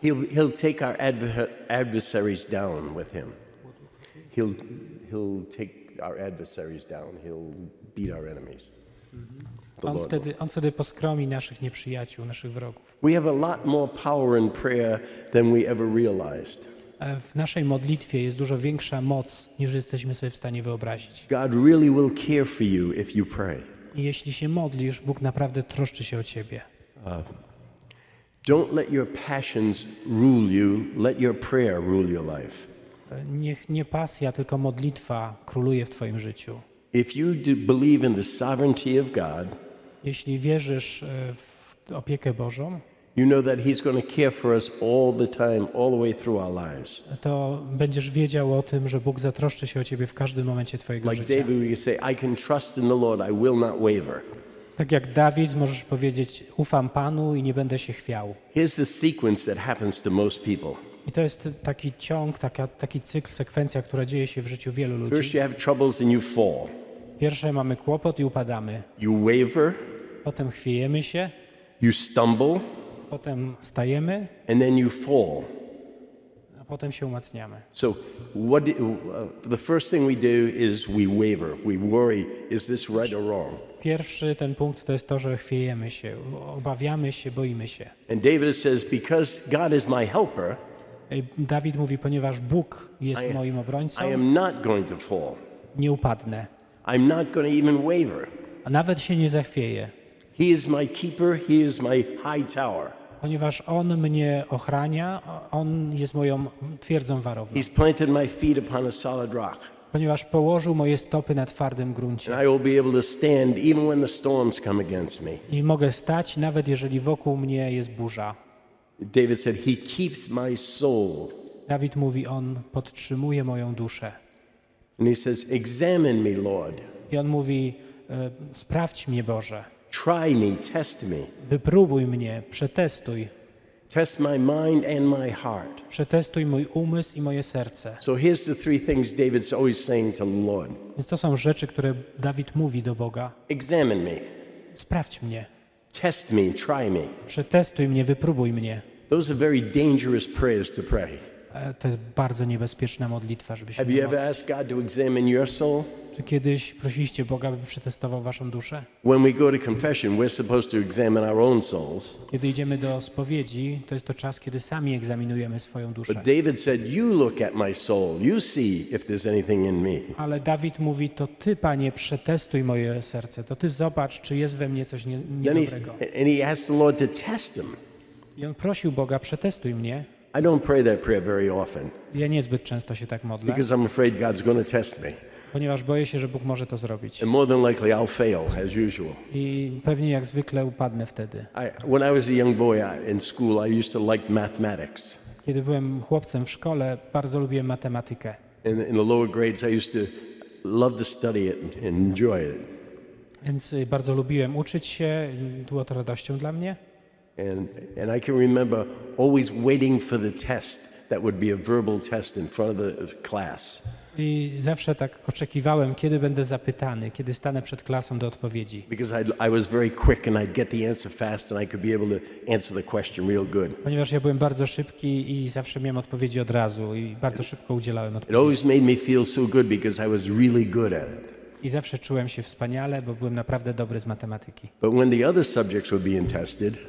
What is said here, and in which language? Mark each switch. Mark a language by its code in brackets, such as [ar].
[en] he'll take our adversaries down with him. He'll take our adversaries down. He'll beat our enemies. [pl] On wtedy poskromi naszych nieprzyjaciół, naszych wrogów. [en] We have a lot more power in prayer than we ever realized. [pl] W naszej modlitwie jest dużo większa moc, niż jesteśmy sobie w stanie wyobrazić. [en] God really will care for you if you pray. [pl] Jeśli się modlisz, Bóg naprawdę troszczy się o ciebie. [en] Don't let your passions rule you, let your prayer rule your life. [pl] Niech nie pasja, tylko modlitwa króluje w twoim życiu. [en] If you believe in the sovereignty of God, [pl] jeśli wierzysz w opiekę Bożą, [en] you know that he's going to care for us all the time, all the way through our lives. [pl] To będziesz wiedział o tym, że Bóg zatroszczy się o ciebie w każdym momencie twojego [en] like [pl] życia. [en] Like David, you say, I can trust in the Lord, I will not waver. [pl] Tak jak Dawid, możesz powiedzieć, ufam Panu i nie będę się chwiał. [en] Here's the sequence that happens to most people. [pl] I to jest taki ciąg, taki cykl, sekwencja, która dzieje się w życiu wielu ludzi. [en] First you have troubles and you fall. [pl] Pierwsze mamy kłopot i upadamy. [en] You waver. [pl] Potem chwiejemy się. [en] You stumble. [pl] Potem stajemy. [en] And then you fall. [pl] A potem się umacniamy. [en] So what the first thing we do is we waver. We worry, is this right or wrong? [pl] Pierwszy ten punkt to jest to, że chwiejemy się, obawiamy się, boimy się. [en] And David says, because God is my helper. [pl] Dawid mówi, ponieważ Bóg jest moim obrońcą. [en] I am not going to fall. [pl] Nie upadnę. [en] I'm not going to even waver. [pl] A nawet się nie zachwieję. [en] He is my keeper, he is my high tower. [pl] ponieważ On mnie ochrania, On jest moją twierdzą warowną. [en] He's planted my feet upon a solid rock. [pl] Ponieważ położył moje stopy na twardym gruncie. [en] And I will be able to stand even when the storms come against me. [pl] I mogę stać, nawet jeżeli wokół mnie jest burza. [en] David said, he keeps my soul. [pl] Dawid mówi, on podtrzymuje moją duszę. [en] And he says, examine me, Lord. [pl] I on mówi, sprawdź mnie, Boże. [en] Try me, test me. [pl] Wypróbuj mnie, przetestuj. [en] Test my mind and my heart. [pl] Przetestuj mój umysł i moje serce. [en] So here's the three things David's always saying to the Lord. [pl] Więc to są rzeczy, które Dawid mówi do Boga. [en] Examine me. [pl] Sprawdź mnie. [en] Test me, try me. [pl] Przetestuj mnie, wypróbuj mnie. [en] Those are very dangerous prayers to pray. [pl] To jest bardzo niebezpieczna modlitwa, żeby się [en] Have you ever asked God to examine your soul? [pl] Czy kiedyś prosiliście Boga, by przetestował waszą duszę? [en] When we go to confession, we're supposed to examine our own souls. [pl] Kiedy idziemy do spowiedzi, to jest to czas, kiedy sami egzaminujemy swoją duszę. [en] But David said, you look at my soul, you see if there's anything in me. [pl] Ale Dawid mówi, to ty, Panie, przetestuj moje serce, to ty zobacz, czy jest we mnie coś niedobrego. [en] And he asked the Lord to test him. [pl] I on prosił Boga, przetestuj mnie. [en] I don't pray that prayer very often. [pl] Ja niezbyt często się tak modlę. [en] Because I'm afraid God's going to test me. [pl] Ponieważ boję się, że Bóg może to zrobić. [en] And more than likely I'll fail as usual. [pl] I pewnie jak zwykle upadnę wtedy. [en] When I was a young boy in school, I used to like mathematics. [pl] Kiedy byłem chłopcem w szkole, bardzo lubiłem matematykę. [en] In the lower grades, I used to love to study it and enjoy it. [pl] Więc bardzo lubiłem uczyć się, było to radością dla mnie. [en] And I can remember always waiting for the test that would be a verbal test in front of the class. [pl] I zawsze tak oczekiwałem, kiedy będę zapytany, kiedy stanę przed klasą do odpowiedzi. [en] Because I was very quick and I'd get the answer fast and I could be able to answer the question real good. [pl] Ponieważ ja byłem bardzo szybki i zawsze miałem odpowiedzi od razu i bardzo szybko udzielałem odpowiedzi. [en] It always made me feel so good because I was really good at it. [pl] I zawsze czułem się wspaniale, bo byłem naprawdę dobry z matematyki. [en] But when the other subjects were being tested,